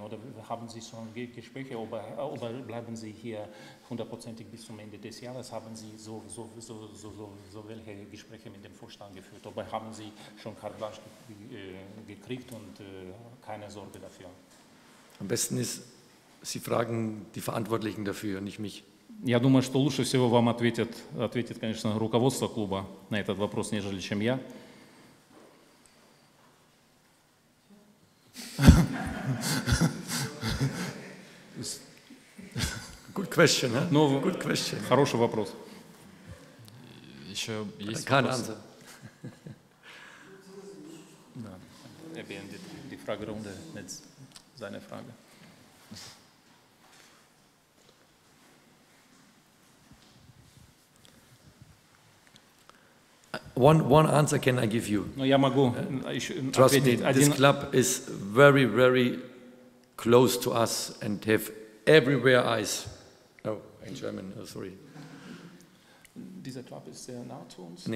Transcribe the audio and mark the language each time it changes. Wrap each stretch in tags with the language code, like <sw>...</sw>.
<de>Oder haben Sie schon Gespräche oder bleiben Sie hier hundertprozentig bis zum Ende des Jahres? Haben Sie so welche Gespräche mit dem Vorstand geführt? Oder haben Sie schon Carte Blanche gekriegt und keine Sorge dafür? Am besten ist, Sie fragen die Verantwortlichen dafür, nicht mich.</de> <ru>Я думаю, что лучше всего вам ответит, конечно, руководство клуба на этот вопрос, нежели чем я.</ru> <en>Good question, а? Good</en> <ru>question. Хороший вопрос. Еще есть вопросы? Да.</ru> <de>Beendet die Fragerunde mit seiner Frage.</de> <en>One answer can I give you?</en> <ru>No, я могу.</ru> <en>Trust me, this club is very, very close to us and have everywhere eyes. Oh, in German, oh, sorry.</en> <de>Dieser Club ist sehr nah zu uns</de>